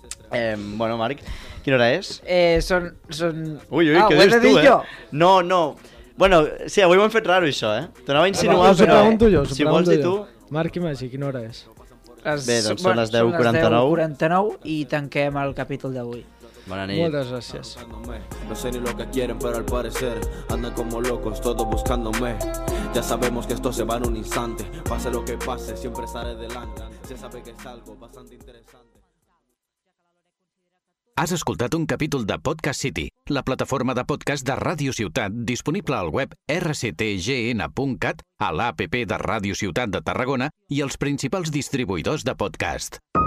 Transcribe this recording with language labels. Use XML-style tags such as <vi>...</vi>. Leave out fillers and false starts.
<ca>Bueno, Marc, quina hora és? Són... Ui, què dius tu, jo? No. Bueno, sí, avui ho hem fet raro, això, eh? T'anava a insinuar, però... Us ho pregunto jo. Marc i Magí, quina hora és? Són les 10:49 i tanquem el capítol d'avui. Bona nit. Moltes gràcies.</ca> <es>No sé ni lo que quieren, pero al parecer andan como locos, todos buscándome. Ya sabemos que esto se va en un instante. Pase lo que pase, siempre estaré delante. Se sabe que es algo bastante interesante.</es> <ca>Has escoltat un capítol de Podcast City, la plataforma de podcast de Radio Ciutat, disponible al web rctgn.cat, a l'app de Radio Ciutat de Tarragona i als principals distribuïdors de podcast.</ca>